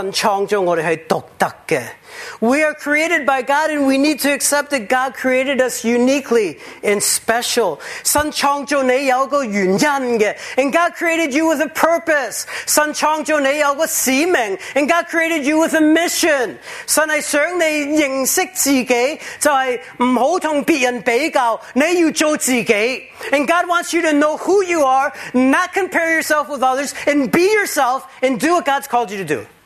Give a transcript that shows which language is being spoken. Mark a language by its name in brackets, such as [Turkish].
[Chinese] 我们是神创造的，我们是要接受神创造，我们是独特的。 [English] We are created by God and we need to accept that God created us uniquely and special. [Chinese] 神创造你有个原因的， [English] and God created you with a purpose. [Chinese] 神创造你有个使命， [English] and God created you with a mission. [Chinese] 神是想你认识自己，就是不要跟别人比较，你要做自己。 [English] And God wants you to know who you are, not compare yourself with others, and be yourself and do what God's called you to do.